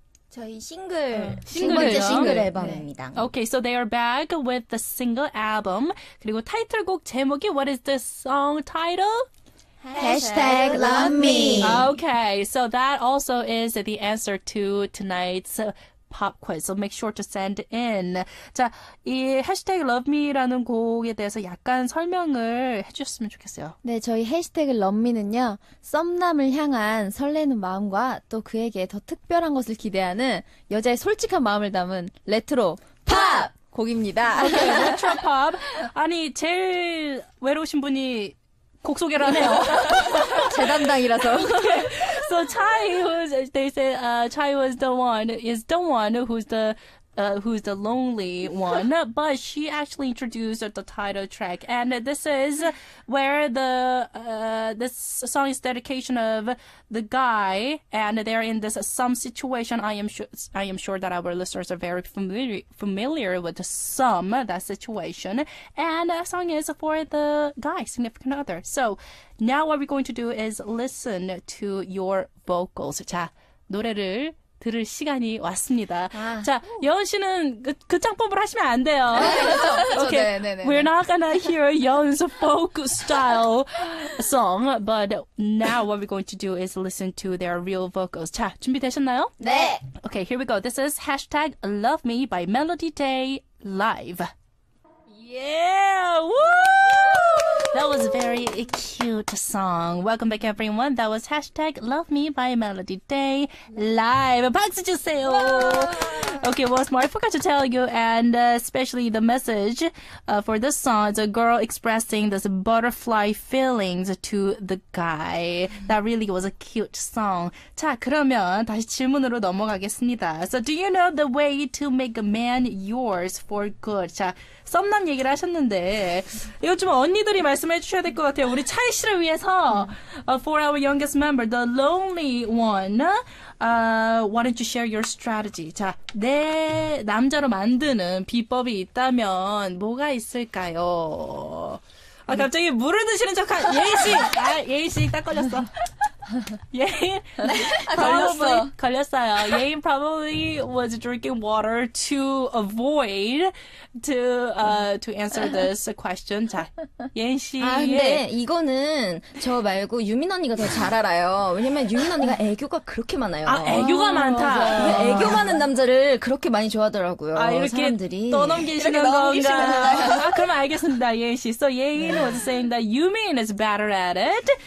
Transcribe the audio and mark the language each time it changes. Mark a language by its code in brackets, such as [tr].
[ko] 저희 싱글 싱글이요? 싱글 앨범입니다. 네. [en] Okay, so they are back with the single album. [ko] 그리고 타이틀곡 제목이 [en] What is the song title? Hashtag love me. Okay, so that also is the answer to tonight's pop quiz. So make sure to send in. 자, 이 hashtag love me라는 곡에 대해서 약간 설명을 해주셨으면 좋겠어요. 네, 저희 hashtag love me는요. 썸남을 향한 설레는 마음과 또 그에게 더 특별한 것을 기대하는 여자의 솔직한 마음을 담은 레트로 팝 곡입니다. 레트로 팝. 아니, 제일 외로우신 분이 곡 소개를 하네요. 제 담당이라서. So Chai was, they said, Chai was the one, is the one who's the lonely one, but she actually introduced the title track, and this is where the this song is dedication of the guy, and they're in this some situation. I am sure that our listeners are very familiar with some that situation, and the song is for the guy, significant other. So now what we're going to do is listen to your vocals. [ko] 자, 노래를 들을 시간이 왔습니다. 아, 자, 여은 씨는 그 창법을 하시면 안 돼요. 네, 오케이. 저, 네. [en] We're not gonna hear Yeon's folk style song, but now what we're going to do is listen to their real vocals. [ko] 자, 준비되셨나요? 네. [en] Okay, here we go. This is hashtag love me by Melody Day live. Yeah! Woo! That was a very cute song. Welcome back, everyone. That was hashtag Love Me by Melody Day live. [ko] 박수 주세요! [en] Okay, once more, I forgot to tell you, and especially the message for this song, it's a girl expressing this butterfly feelings to the guy. That really was a cute song. [ko] 자, 그러면 다시 질문으로 넘어가겠습니다. [en] So, do you know the way to make a man yours for good? [ko] 자, 썸남 얘기를 하셨는데 이거 좀 언니들이 말씀해 주셔야 될 것 같아요. 우리 차이 씨를 위해서 [en] for our youngest member, the lonely one, why don't you share your strategy? [ko] 자, 내 남자로 만드는 비법이 있다면 뭐가 있을까요? 아, 갑자기 물을 드시는 척한 예희 씨, 아, 예희 씨 딱 걸렸어. 예인 걸렸어요. [en] 예인 probably was drinking water to avoid to answer this question. [ko] 자, 예인 씨. 아, 근데 이거는 저 말고 유민 언니가 더 잘 알아요. 왜냐면 유민 언니가 애교가 그렇게 많아요. 아, 애교가 많다. 애교 많은 남자를 그렇게 많이 좋아하더라고요. 아, 이렇게 사람들이 떠넘기시는 건가? 아, 그럼 알겠습니다. 예인 씨. So 예인 네. [en] was saying that Yumin is better at it.